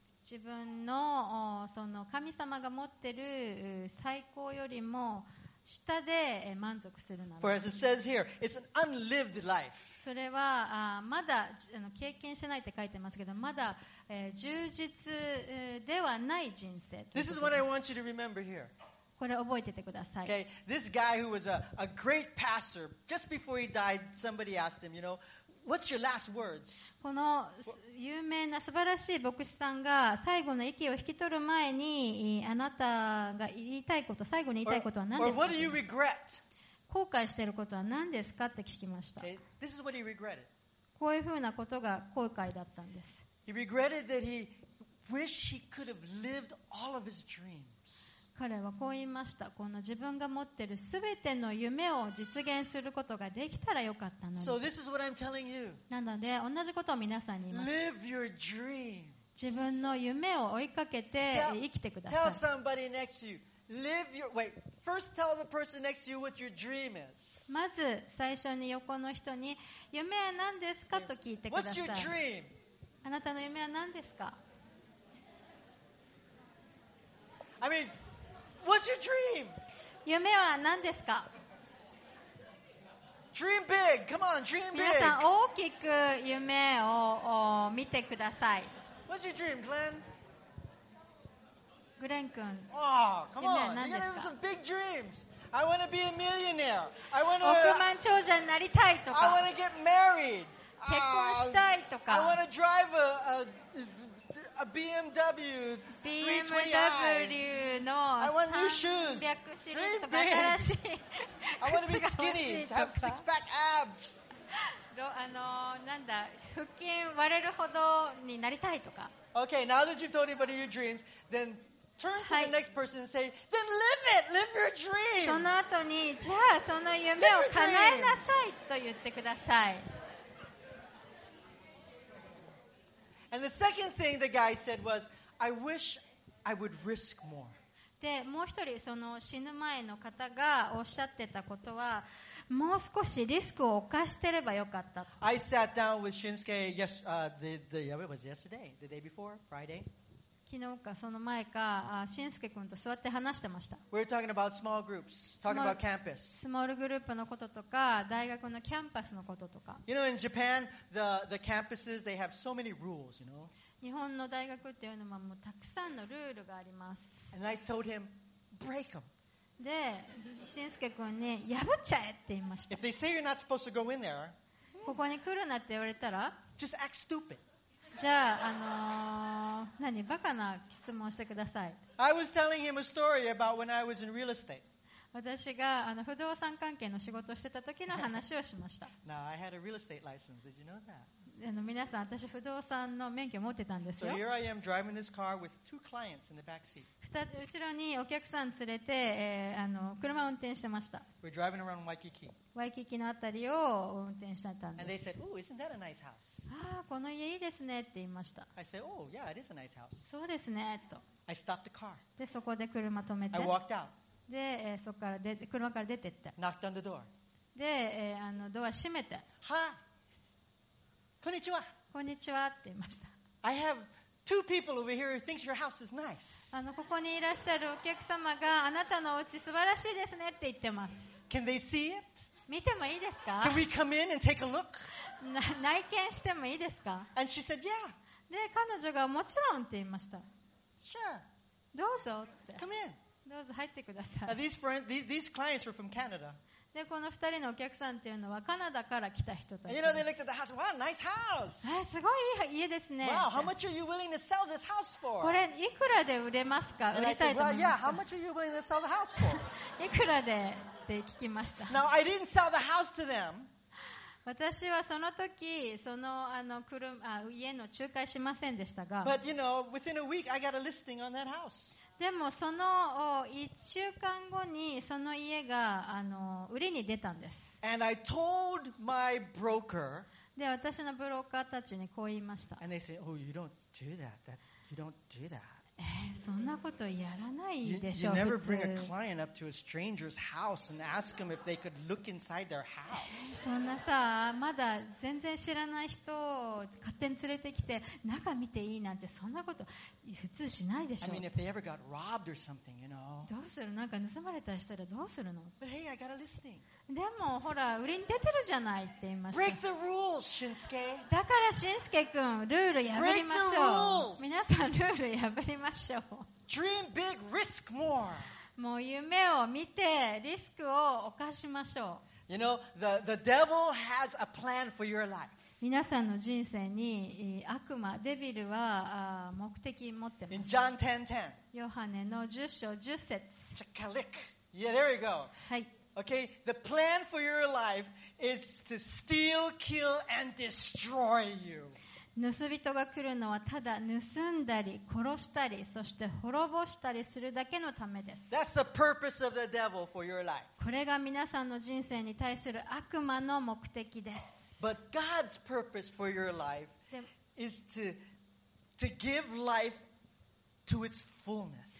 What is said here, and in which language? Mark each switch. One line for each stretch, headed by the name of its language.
Japanese: 自分のその神様が持っている最高よりも下で満足するなら、
English: For as it says here, it's an unlived life.
Japanese: それはまだ経験してないって書いてますけど、まだ充実ではない人生。
English: This is what I want you to remember here.
Japanese: これ覚えててください。
English: Okay, this guy who was a great pastor, just before he died, somebody asked him, you know, what's your last words?
Japanese: この有名な素晴らしい牧師さんが最後の息を引き取る前に、あなたが言いたいこと、最後に言いたいことは何ですか？
English: Or what do you regret?
Japanese: 後悔していることは何ですかって聞きました。
English: Okay. This is what he regretted.
Japanese: こういうふうなことが後悔だったんです。
English: He regretted that he wished he could have lived all of his dreams.
Japanese: 彼はこう言いました。この自分が持っているすべての夢を実現することができたらよかったのに。
English: So this is what I'm telling you.
Japanese: なので同じことを皆さんに言います。
English: Live your dreams.
Japanese: 自分の夢を追いかけて生きてください。
English: Tell somebody next to you. Live your wait. First, tell the person next to you what your dream is.
Japanese: まず最初に横の人に夢は何ですかと聞いてください。
English: What's your dream?
Japanese: あなたの夢は何ですか。
English: I mean, what's your dream?
Japanese: 夢は何ですか。
English: Dream big. Come on, dream big.
Japanese: 皆さん大きく夢を見てください。
English: What's your dream, Glenn?
Japanese: グレン君、夢は何ですか？億万長者になりたいとか、
English: I wanna get married.
Japanese: 結婚したいとか、
English: I wanna drive a BMW 320i.
Japanese: BMW の300シリーズとか、新しい
English: I wanna be skinny, have six pack abs.
Japanese: なんだ、腹筋割れるほどになりたいとか。
English: Okay, now that you've told everybody your dreams, thenTurn to the next person and say, "Then live it, live your dream."
Japanese: その後に、じゃあその夢を叶えなさいと言ってください。
English: And the second thing the guy said was, "I wish I would risk more."
Japanese: でもう一人その死ぬ前の方がおっしゃってたことはもう少しリスクを犯してればよかったと。
English: I sat down with Shinsuke yesterday, the day before, Friday.
Japanese: 昨日かその前か、Shinsuke君と座って話してました。
English: We're talking about small groups, talking about campus.
Japanese: スモールグループのこととか、大学のキャンパスのこととか。
English: You know, in Japan, the campuses, they have so many rules, you know.
Japanese: 日本の大学っていうのはもうたくさんのルールがあります。
English: And I told him, break them.
Japanese: で、しんすけ君に破っちゃえって言いました。
English: If they say you're not supposed to go in there,
Japanese: ここに来るなって言われたら、
English: just act stupid.
Japanese: じゃあ、何バカな質問してください。
English: I was telling him a story about when I was in real estate.
Japanese: 私が不動産関係の仕事をしてた時の話をしました。
English: Now I had a real estate license. Did you know that?
Japanese: 皆さん、私、不動産の免許を持ってたんですよ。後ろにお客さん連れて、車を運転してました。
English: We're driving around Waikiki.
Japanese: ワイキキのあたりを運転してたんです。
English: And they said, "Ooh, isn't that a nice house?"
Japanese: ああ、この家いいですねって言いました。
English: I said, "Oh, yeah, it is a nice house."
Japanese: そうですねと。
English: I stopped the car.
Japanese: で、そこで車止めて。
English: I walked out.
Japanese: で、そこから車から出てって。
English: Knocked on the door.
Japanese: で、ドア閉めて。はあ。こんにちは。こんにちはって言いました。
English: I have two people over here who thinks your house is nice.
Japanese: ここにいらっしゃるお客様があなたのお家素晴らしいですねって言ってます。
English: Can they see it?
Japanese: 見てもいいですか?
English: Can we come in and take a look?
Japanese: 内見してもいいですか?
English: And she said, yeah.
Japanese: で、彼女がもちろんって言いました。
English: Sure.
Japanese: どうぞって。
English: Come in.
Japanese: どうぞ入ってください。
English: These clients were from Canada.
Japanese: でこの二人のお客さんっていうのはカナダから来た人たち。
English: You know, they looked at the house. What a nice house!
Japanese: すごい家ですね。
English: Wow, how much are you willing to sell this house for?
Japanese: これいくらで売れますか？売りたいと思います。
English: Well, yeah, how much are you willing to sell the house for?
Japanese: いくらでって聞きました。
English: Now, I didn't sell the house to them.
Japanese: 私はその時その家の仲介しませんでしたが。
English: But you know, within a week, I got a listing on that house.
Japanese: でもその1週間後にその家が売りに出たんです。
English: And I told my broker, で私のブローカーたちにこう言いました。 And they said, "Oh, you don't do that. That you don't do that."
Japanese: そんなことやらないでしょ。
English: You never bring a client up to a stranger's house and ask them if they could look inside their house.
Japanese: そんなさ、まだ全然知らない人を勝手に連れてきて中見ていいなんてそんなこと普通しないでしょ。
English: I mean, if they ever got robbed or something, you know.
Japanese: どうする？なんか盗まれたりしたらどうするの？
English: But hey, I got a listing.
Japanese: でもほら売りに出てるじゃないって言いました。
English: Break the rules, Shinsuke.
Japanese: だからしんすけ君、ルール破りましょう。皆さんルール破りましょう。
English: Dream big, risk more.
Japanese: もう夢を見てリスクを犯しましょう。
English: You know, the devil has a plan for your life.
Japanese: 皆さんの人生に悪魔、デビルは目的持ってます。
English: In John 10:10.
Japanese: ヨハネの10章10節。
English: Chakalik. Yeah, there you go.
Japanese: はい。
English: Okay, the plan for your life is to steal, kill, and destroy you.
Japanese: 盗人が来るのはただ盗んだり殺したりそして滅ぼしたりするだけのためです。
English: That's the purpose of the devil for your life.
Japanese: これが皆さんの人生に対する悪魔の目的です。
English: But God's purpose for your life is to give life to its fullness.